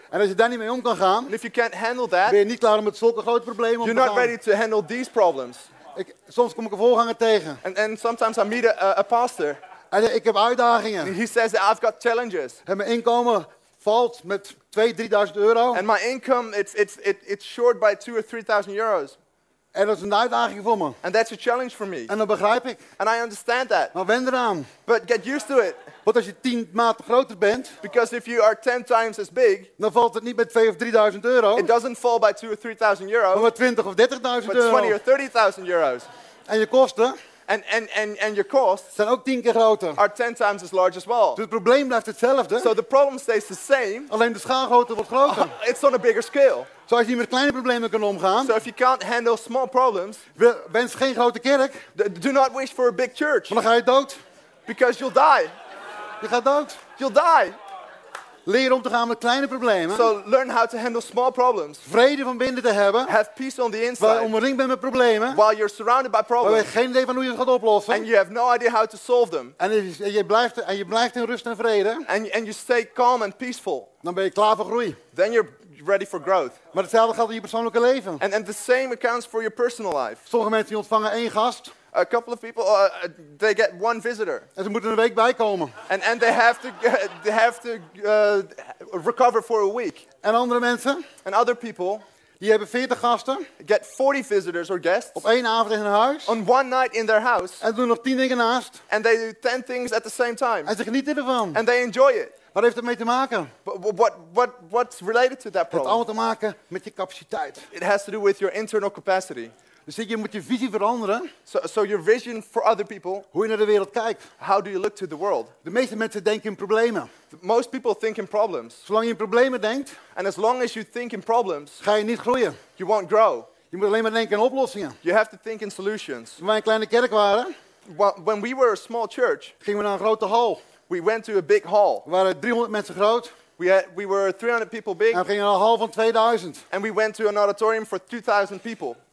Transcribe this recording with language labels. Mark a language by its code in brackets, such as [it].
[nl] En als je daar niet mee om kan gaan. [en] And if you can't handle that. [nl] Ben je niet klaar om met zulke grote problemen om te gaan. [en] You're not ready to handle these problems. [nl] Soms kom ik een voorganger tegen. [en] And sometimes I meet a pastor. [nl] En ik heb uitdagingen. [en] He says that I've got challenges. [nl] En mijn inkomen valt met 2,000-3,000 euro. [en] And my income it's short by 2,000 or 3,000 euros. [nl] En dat is een uitdaging voor me. [en] And that's a challenge for me. [nl] En dat begrijp ik. [en] And I understand that. [nl] Maar wend eraan. [en] But get used to it. [nl] Want als je 10 maten groter bent. [en] Because if you are 10 times as big. [nl] Dan valt het niet met 2,000 or 3,000 euro. [en] It doesn't fall by 2,000 or 3,000 euros. [nl] Maar met 20,000 or 30,000 euros. [en] But 20,000 or 30,000 euros. [nl] En je kosten. [en] And your costs [nl] zijn ook 10 keer groter. [en] Are 10 times as large as well. [nl] Dus het probleem blijft hetzelfde. [en] So the problem stays the same. [nl] Alleen de schaalgrootte wordt groter. [en] It's on a bigger scale. [nl] Zo als je niet met kleine problemen kan omgaan. [en] So if you can't handle small problems. [nl] Wens geen grote kerk. [en] Do not wish for a big church. [nl] Want dan ga je dood. [en] Because you'll die. [nl] Je gaat dood. [en] You'll die. [nl] Leer om te gaan met kleine problemen. [en] So learn how to handle small problems. [nl] Vrede van binnen te hebben. [en] Have peace on the inside. [nl] Waar je omringd bent met problemen. [en] While you're surrounded by problems. [nl] Waar je geen idee van hoe je het gaat oplossen. [en] And you have no idea how to solve them. [nl] En je blijft in rust en vrede. [en] And you stay calm and peaceful. [nl] Dan ben je klaar voor groei. [en] Then you're ready for growth. [nl] Maar hetzelfde geldt voor je persoonlijke leven. [en] And the same accounts for your personal life. [nl] Sommige mensen ontvangen één gast. [en] A couple of people, they get one visitor. [nl] En ze moeten een week bijkomen. [en] And they have to recover for a week. [nl] En andere mensen? [en] And other people, [nl] die hebben 40 gasten. [en] Get 40 visitors or guests. [nl] Op één avond in hun huis. [en] On one night in their house. [nl] En doen nog 10 dingen naast. [en] And they do 10 things at the same time. [nl] En ze genieten ervan. [en] And they enjoy it. [nl] Wat heeft dat mee te maken? [en] What's related to that problem? [nl] Het heeft allemaal te maken met je capaciteit. [en] It has to do with your internal capacity. [nl] Dus je moet je visie veranderen. [en] So your vision for other people. [nl] Hoe je naar de wereld kijkt. [en] How do you look to the world? [nl] De meeste mensen denken in problemen. [en] Most people think in problems. [nl] Zolang je in problemen denkt. [en] And as long as you think in problems. [nl] Ga je niet groeien. [en] You won't grow. [nl] Je moet alleen maar denken in oplossingen. [en] You have to think in solutions. [nl] Toen wij een kleine kerk waren. [en] When we were a small church. [nl] Gingen we naar een grote hal. [en] We went to a big hall. [nl] We waren 300 mensen groot. [en] We were 300 people big. [nl] En we gingen naar een hal van 2000. [en] And we went to an auditorium for 2000 people.